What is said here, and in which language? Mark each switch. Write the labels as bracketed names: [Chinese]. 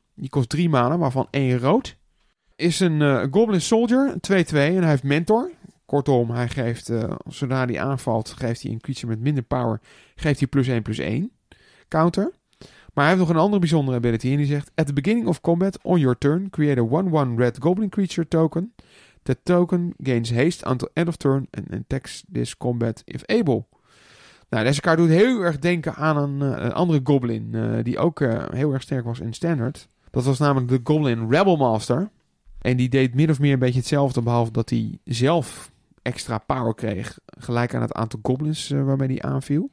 [Dutch] Die kost 3 mana, waarvan 1 rood. Is een Goblin Soldier, 2-2, en hij heeft Mentor. Kortom, hij geeft, zodra hij aanvalt, geeft hij een creature met minder power, geeft hij +1/+1 counter. Maar hij heeft nog een andere bijzondere ability en die zegt: [English] at the beginning of combat, on your turn, create a 1-1 red Goblin creature token. The token gains haste until end of turn and attacks this combat if able. [Dutch] Nou, deze kaart doet heel erg denken aan een andere Goblin die ook heel erg sterk was in Standard. Dat was namelijk de Goblin Rebel Master. En die deed min of meer een beetje hetzelfde, behalve dat hij zelf extra power kreeg, gelijk aan het aantal goblins waarmee hij aanviel.